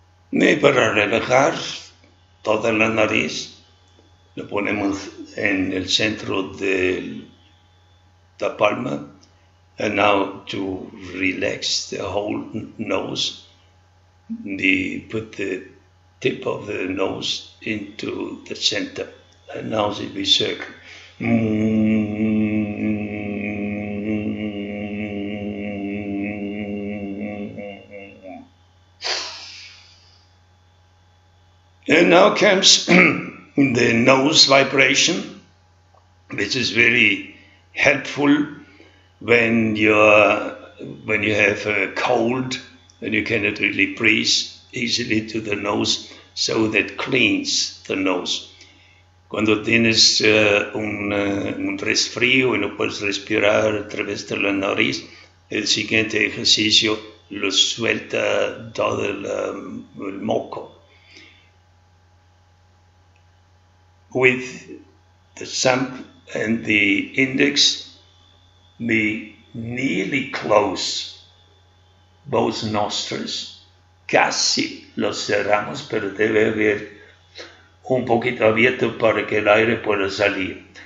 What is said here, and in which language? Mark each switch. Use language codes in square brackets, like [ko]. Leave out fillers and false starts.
[es] Y para relajar toda la nariz, lo ponemos en el centro de la palma, [en] And now to relax the whole nose, put the tip of the nose into the center. And now it will circle. And now comes the nose vibration, which is very helpful when you have a cold and you cannot really breathe easily to the nose, so that cleans the nose. [es] Cuando tienes un resfrío y no puedes respirar a través de la nariz, el siguiente ejercicio lo suelta todo el moco. [en] With the thumb and the index, we nearly close both nostrils. [es] Casi lo cerramos, pero debe haber un poquito abierto para que el aire pueda salir.